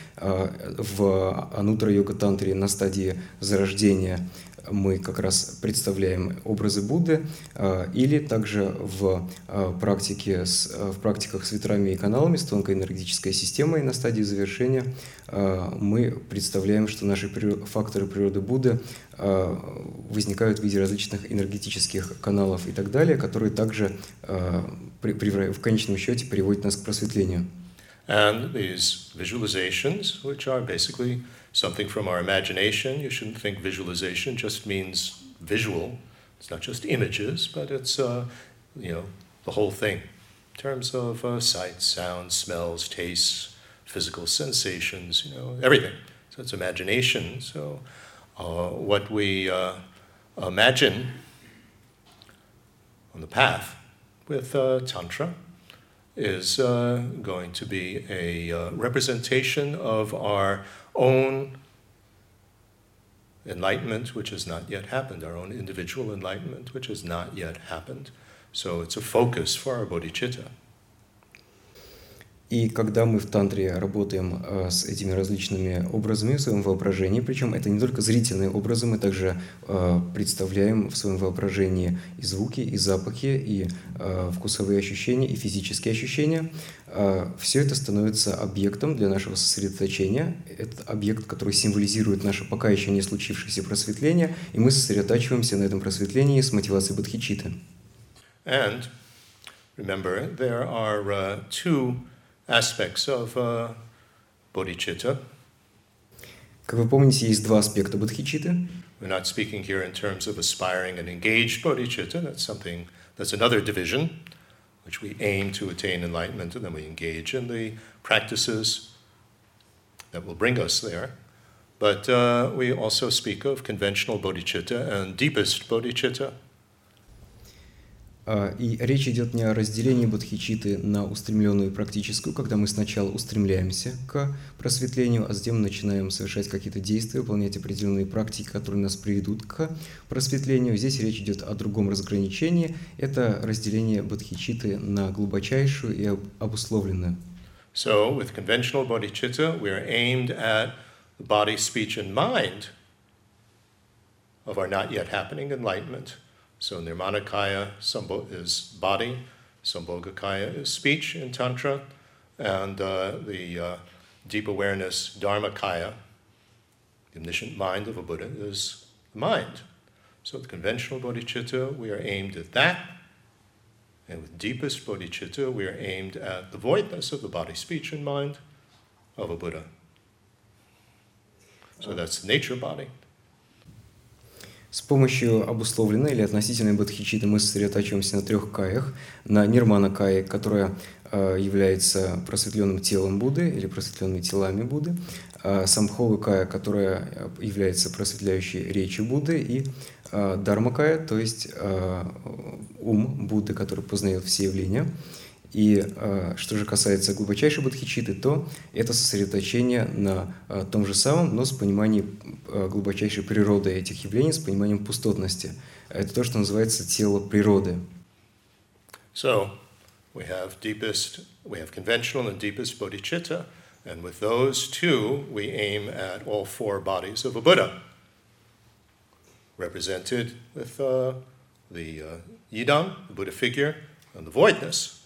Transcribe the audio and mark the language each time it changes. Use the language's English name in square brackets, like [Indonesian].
[Russian] В анутра-йога-тантре на стадии зарождения мы как раз представляем образы Будды, или также в практиках с ветрами и каналами, с тонкой энергетической системой на стадии завершения, мы представляем, что наши факторы природы Будды возникают в виде различных энергетических каналов и так далее, которые также в конечном счете приводят нас к просветлению. [English] And these visualizations, which are basically something from our imagination, you shouldn't think visualization just means visual. It's not just images, but it's the whole thing in terms of sights, sounds, smells, tastes, physical sensations, everything. So it's imagination. So what we imagine on the path with Tantra is going to be a representation of our own enlightenment, which has not yet happened, our own individual enlightenment, which has not yet happened. So it's a focus for our bodhicitta. [Russian] И когда мы в тантре работаем с этими различными образами в своем воображении, причем это не только зрительные образы, мы также представляем в своем воображении и звуки, и запахи, и вкусовые ощущения, и физические ощущения, все это становится объектом для нашего сосредоточения. Это объект, который символизирует наше пока еще не случившееся просветление, и мы сосредотачиваемся на этом просветлении с мотивацией бодхичитты. [English] And remember, there are two aspects of bodhicitta. [Russian] Как вы помните, есть два аспекта бодхичитты. [English] We're not speaking here in terms of aspiring and engaged bodhicitta. That's something, that's another division, which we aim to attain enlightenment and then we engage in the practices that will bring us there. But we also speak of conventional bodhicitta and deepest bodhicitta. [Russian] И речь идет не о разделении бодхичитты на устремленную и практическую, когда мы сначала устремляемся к просветлению, а затем начинаем совершать какие-то действия, выполнять определенные практики, которые нас приведут к просветлению. Здесь речь идет о другом разграничении. Это разделение бодхичитты на глубочайшую и обусловленную. [English] So, with conventional bodhicitta, we are aimed at the body, speech, and mind of our not yet happening enlightenment. So nirmanakaya sambo is body, sambhogakaya is speech in tantra, and deep awareness dharmakaya, the omniscient mind of a Buddha, is mind. So with conventional bodhicitta, we are aimed at that, and with deepest bodhicitta, we are aimed at the voidness of the body, speech, and mind of a Buddha. So that's the nature body. [Russian] С помощью обусловленной или относительной бодхичитты мы сосредотачиваемся на трех каях. На нирмана-кае, которая является просветленным телом Будды или просветленными телами Будды. Самхога-кая, которая является просветляющей речью Будды. И дарма-кая, то есть ум Будды, который познает все явления. И что же касается глубочайшей бодхичитты, то это сосредоточение на том же самом, но с пониманием глубочайшей природы этих явлений, с пониманием пустотности. Это то, что называется тело природы. [English] So, we have deepest, we have conventional and deepest bodhicitta, and with those two, we aim at all four bodies of a Buddha, represented with the yidam, the Buddha figure, and the voidness.